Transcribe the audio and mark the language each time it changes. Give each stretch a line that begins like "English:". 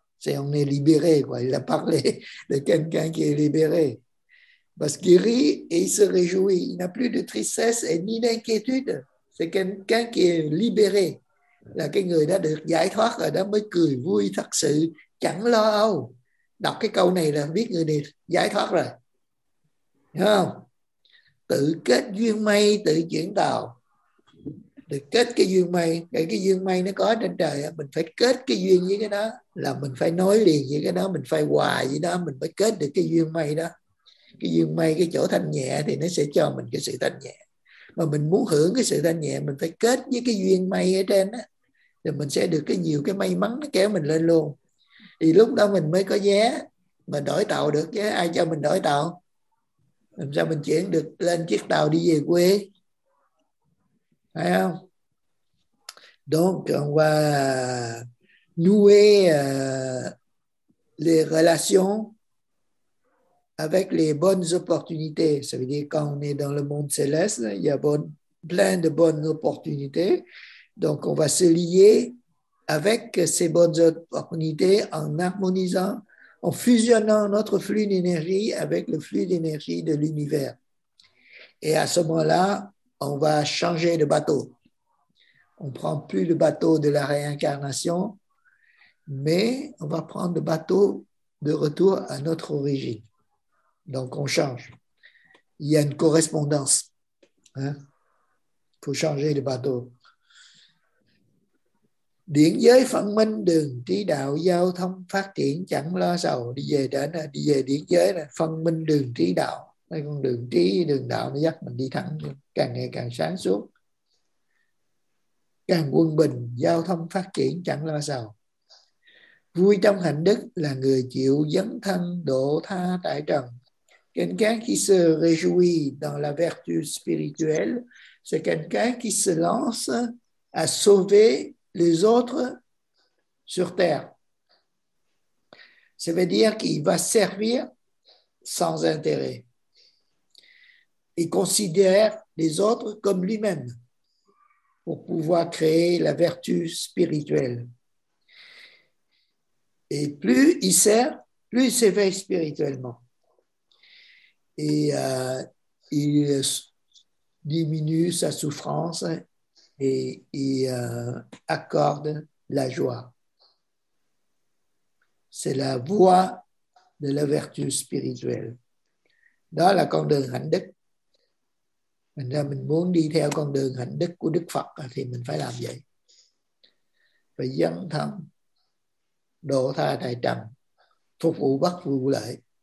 French: C'est on est libéré, quoi. Il a parlé de quelqu'un qui est libéré. Parce qu'il rit et il se réjouit. Il n'a plus de tristesse et ni d'inquiétude. C'est quelqu'un qui est libéré.
Vietnamese: Là cái người đã được giải thoát rồi đó mới cười vui thật sự, chẳng lo âu. Đọc cái câu này là biết người này giải thoát rồi. Đúng không? Tự kết duyên may, tự chuyển tàu. Được kết cái duyên may, cái duyên may nó có trên trời, mình phải kết cái duyên với cái đó, là mình phải nối liền với cái đó, mình phải hòa với đó, mình mới kết được cái duyên may đó. Cái duyên may, cái chỗ thanh nhẹ thì nó sẽ cho mình cái sự thanh nhẹ. Mà mình muốn hưởng cái sự thanh nhẹ, mình phải kết với cái duyên may ở trên đó, thì mình sẽ được cái nhiều cái may mắn nó kéo mình lên luôn. Thì lúc đó mình mới có vé mà đổi tàu được chứ, ai cho mình đổi tàu? Làm sao mình chuyển được lên chiếc tàu đi về quê? Phải không?
French: Donc on va nouer les relations avec les bonnes opportunités. Ça veut dire quand on est dans le monde céleste, il y a plein de bonnes opportunités. Donc on va se lier avec ces bonnes opportunités en harmonisant, en fusionnant notre flux d'énergie avec le flux d'énergie de l'univers. Et à ce moment-là, on va changer de bateau. On prend plus le bateau de la réincarnation, mais on va prendre le bateau de retour à notre origine. Donc, on change. Il y a une correspondance. Hein? Il faut changer de bateau.
Vietnamese: Điện giới phân minh, đường trí đạo, giao thông phát triển, chẳng lo sầu. Đi về đó, đi về điện giới là phân minh, đường trí đạo. Mấy con đường trí, đường đạo nó dắt mình đi thẳng, càng ngày càng sáng suốt. Càng quân bình, giao thông phát triển, chẳng lo sầu. Vui trong hạnh đức là người chịu dấn thân, độ tha tại trần.
French: Quelqu'un qui se réjouit dans la vertu spirituelle, c'est quelqu'un qui se lance à sauver les autres sur terre. Ça veut dire qu'il va servir sans intérêt. Il considère les autres comme lui-même pour pouvoir créer la vertu spirituelle. Et plus il sert, plus il s'éveille spirituellement. Et il diminue sa souffrance et il accorde la joie. C'est la voie de la vertu spirituelle. Dans la
Vietnamese: con đường hạnh đức. Mình ra mình muốn đi theo con đường hạnh đức của Đức Phật thì mình phải làm vậy. Phải dấn thân, độ tha tại trần, phục vụ bất vụ lợi.